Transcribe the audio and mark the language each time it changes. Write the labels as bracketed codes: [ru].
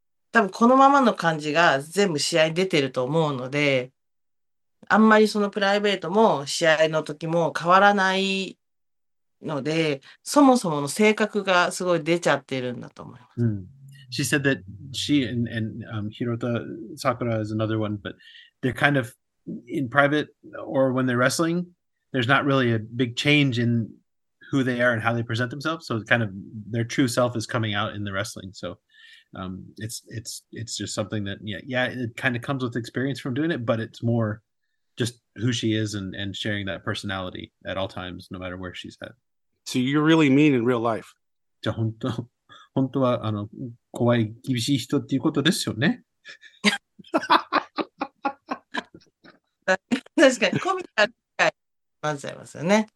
[ja] 多分このままの感じが全部試合に出てると思うので、あんまりそのプライベートも試合の時も変わらないので、そもそもの性格がすごい出ちゃってるんだと思います。 [en] うん、She said that she and Hirota Sakura is another one, but they're kind of in private or when they're wrestling, there's not really a big change in who they are and how they present themselves. So it's kind of their true self is coming out in the wrestling. So it's just something that, yeah, it kind of comes with experience from doing it, but it's more just who she is and sharing that personality at all times, no matter where she's at. So you're really mean in real life. [ja] じゃあ本当は怖い厳しい人っていうことですよね。確かにコミカルに混ざりますよね。